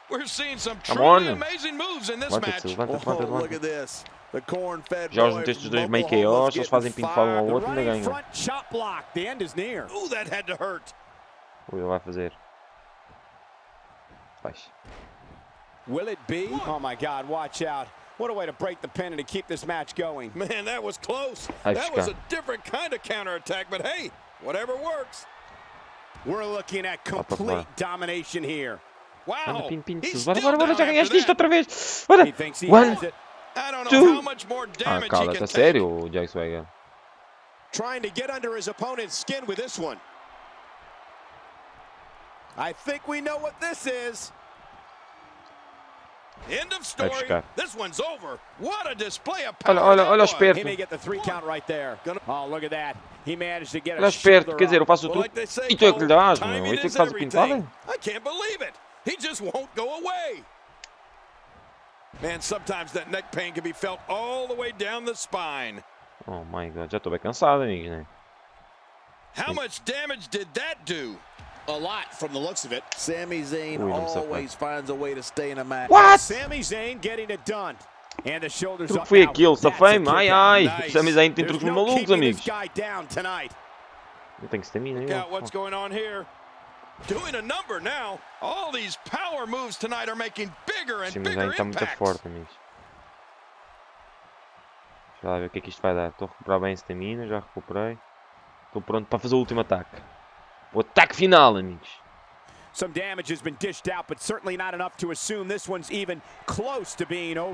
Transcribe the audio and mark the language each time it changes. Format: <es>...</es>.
<en>We're seeing some truly amazing moves in this</en> <pt>levanta, Levanta,</pt> <en>look at this. The corn fed</en> <pt>já os meteste os dois meio KOs, eles fazem pinfall um ao outro e ganham.</pt> <en>Chop block. The end is near. Ooh, that had to hurt.</en> <pt>Ui, ele vai fazer. Vai.</pt> <en>Will it be? Oh my God, watch out. What a way to break the pin and to keep this match going. Man, that was close. Ai, that was a different kind of counterattack, but hey, whatever works. We're looking at complete domination here. Wow.</en> <pt>Anda, pin, pin, bora, bora, bora, já ganhaste isto outra vez. Bora.</pt> <en>One, two.</en> <pt>Ah, cala, tá sério, o Jack Swagger.</pt> <en>Trying to get under his opponent's skin with this one. I think we know what this is. End of story. This one's over. What a display of power.</en> <pt>Olha, olha, olha o esperto.</pt> <en>He may get the three count right there. Oh, look at that. He managed to get</en> <pt>olha a esperto, quer dizer, eu faço tudo. E tu é que lhe dás, meu? E tu é que faz o pintado?</pt> <en>I can't believe it. He just won't go away. Man, sometimes that neck pain can be felt all the way down the spine. Oh my God,</en> <pt>já estou bem cansado, amigo, né?</pt> <en>How much damage did that do? A lot from the looks of it. Sami Zayn always finds a way to stay in a match. What? Sami Zayn getting it done. And the shoulders</en> <pt>up. Foi aquilo, safei. Ai, ai. Sami Zayn tem truques malucos, amigos. Eu tenho que ter mina,</pt> <en>look out what's going on here. Doing a number now. All these power moves tonight are making bigger and bigger impacts.</en> <pt>Sami Zayn está muito forte, amigos. Deixa lá ver o que é que isto vai dar. Estou a recuperar bem esta mina, já recuperei. Estou pronto para fazer o último ataque. O ataque final, amigos.</pt> <en>Some damage has been dished out, but certainly not enough to assume this one's even close to being over.</en>